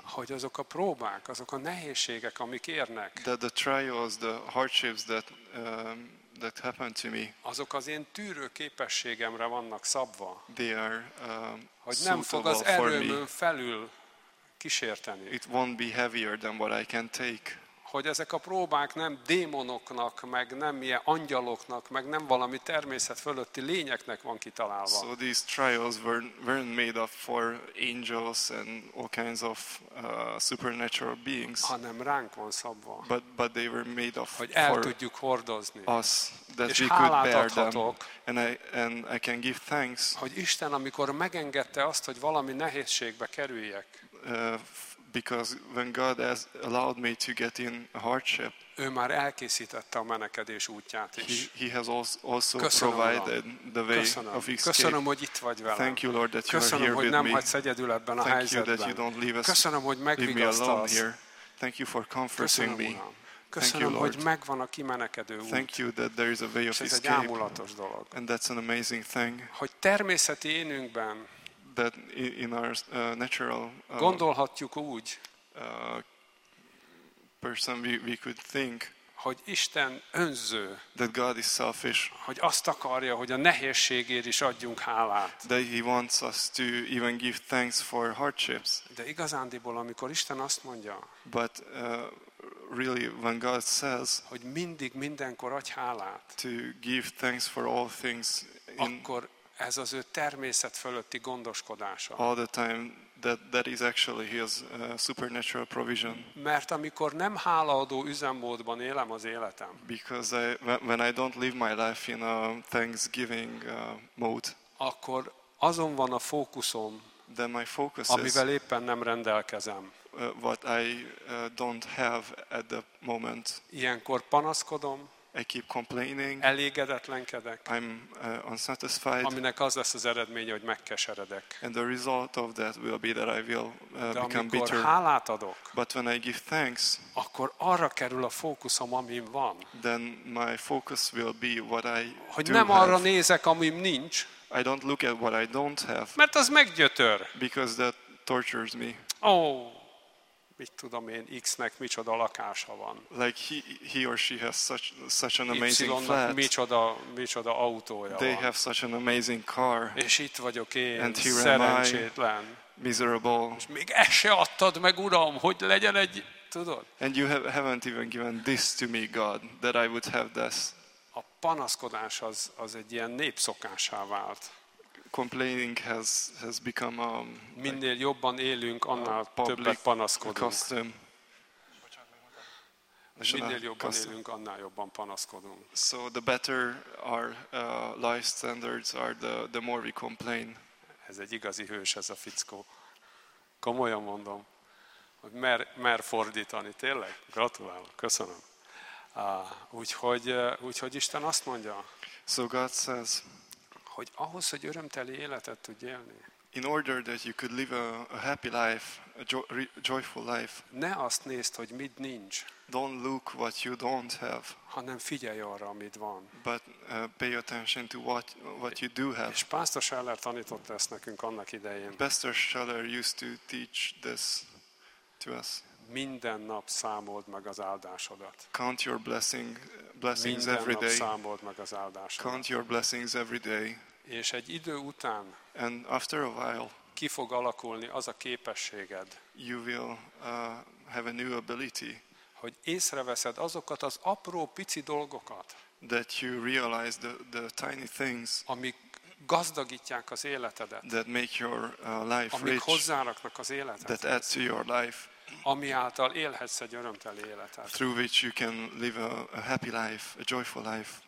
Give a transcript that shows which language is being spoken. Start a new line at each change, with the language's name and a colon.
Hungarian: Hogy azok a próbák, azok a nehézségek, amik érnek.
English: That the trials, the hardships that that happened to me.
Hungarian: Azok az én tűrő képességemre vannak szabva.
English: They are
Hungarian: hogy nem fog az erőmön felül kísérteni.
English: It won't be heavier than what I can take.
Hungarian: Hogy ezek a próbák nem démonoknak, meg nem ilyen angyaloknak, meg nem valami természet fölötti lényeknek van kitalálva.
English: So these trials weren't made up for angels and all kinds of supernatural beings.
Hungarian: Hanem ránk van szabva.
English: But they were made up
Hungarian: hogy el tudjuk hordozni.
English: Us,
Hungarian: és hálát adhatok.
English: And I can give thanks.
Hungarian: Hogy Isten, amikor megengedte azt, hogy valami nehézségbe kerüljek.
English: Because when God has allowed me to get in a hardship,
Hungarian: ő már elkészítette a menekedés útját is.
English: He has also provided the way of escape.
Hungarian: Köszönöm, hogy itt vagy velem.
English: Thank you, Lord, that you are here with me.
Hungarian: Köszönöm, hogy nem hagysz egyedül ebben a helyzetben.
English: Thank you that you don't leave us.
Hungarian: Köszönöm, hogy megvigasztalsz.
English: Thank you for comforting me.
Hungarian: Köszönöm, hogy megvan a kimenekedő út.
English: Thank you that there is a way of escape.
Hungarian: Ez egy ámulatos dolog.
English: And that's an amazing thing.
Hungarian: Hogy természeti énünkben
English: that in our natural
Hungarian: gondolhatjuk úgy
English: person we could think
Hungarian: hogy Isten önző,
English: that God is selfish,
Hungarian: hogy azt akarja, hogy a nehézségért is adjunk hálát,
English: that he wants us to even give thanks for hardships,
Hungarian: de igazándiból amikor Isten azt mondja,
English: but really when God says,
Hungarian: hogy mindig mindenkor adj hálát,
English: to give thanks for all things,
Hungarian: akkor ez az ő természet fölötti gondoskodása.
English: All the time that is actually his supernatural provision.
Hungarian: Mert amikor nem hálaadó üzemmódban élem az életem.
English: Because when I don't live my life in a thanksgiving mode.
Hungarian: Akkor azon van a fókuszom.
English: Then my focus is.
Hungarian: Amivel éppen nem rendelkezem.
English: What I don't have at the moment.
Hungarian: Ilyenkor panaszkodom.
English: I keep complaining.
Hungarian: Elégedetlenkedek.
English: I'm unsatisfied.
Hungarian: Aminek az lesz az eredménye, hogy megkeseredek.
English: And the result of that will be that I will become bitter.
Hungarian: De amikor hálát adok,
English: but when I give thanks,
Hungarian: akkor arra kerül a fókuszom, amim van.
English: Then my focus will be what I
Hungarian: hogy
English: do
Hungarian: nem arra
English: have.
Hungarian: Nézek, amim nincs.
English: I don't look at what I don't have.
Hungarian: Mert az meggyötör.
English: Because that tortures me. Oh.
Hungarian: Mit tudom én, X-nek micsoda lakása van.
English: Like he or she has such an amazing
Hungarian: flat. Micsoda autója
English: they
Hungarian: van.
English: Have such an amazing car.
Hungarian: És itt vagyok én,
English: and here
Hungarian: szerencsétlen.
English: I, miserable.
Hungarian: És még ezt se adtad meg, Uram, hogy legyen egy, tudod?
English: And you haven't even given this to me, God, that I would have this.
Hungarian: A panaszkodás az egy ilyen népszokássá vált.
English: Complaining has become a
Hungarian: minél jobban élünk, annál többet panaszkodunk.
English: Custom.
Hungarian: Minél jobban custom. Élünk, annál jobban panaszkodunk.
English: So the better our life standards are, the more we complain.
Hungarian: Ez egy igazi hős ez a fickó. Komolyan mondom, hogy mer fordítani, tényleg? Gratulálok, köszönöm. Úgyhogy Isten azt mondja.
English: So God says,
Hungarian: hogy ahhoz, hogy örömteli életet tudj élni.
English: In order that you could live a happy life, a joyful life.
Hungarian: Ne azt nézd, hogy mit nincs.
English: Don't look what you don't have.
Hungarian: Hanem figyelj arra, amit van.
English: But pay attention to what you do have.
Hungarian: És Pastor Scheller tanította ezt nekünk annak idején.
English: Pastor Scheller used to teach this to us.
Hungarian: Minden nap számold meg az áldásodat.
English: Count your blessings every day.
Hungarian: Minden nap számold meg az áldásodat.
English: Count your blessings every day.
Hungarian: És egy idő után,
English: and after a while,
Hungarian: ki fog alakulni az a képességed,
English: you will have a new ability,
Hungarian: hogy észreveszed azokat az apró pici dolgokat,
English: that you realize the tiny things,
Hungarian: amik gazdagítják az életedet,
English: that make your life
Hungarian: rich, amik hozzáraknak az életedet,
English: that add to your life,
Hungarian: ami által élhetsz egy örömteli életet,
English: through which you can live a happy life, a joyful life.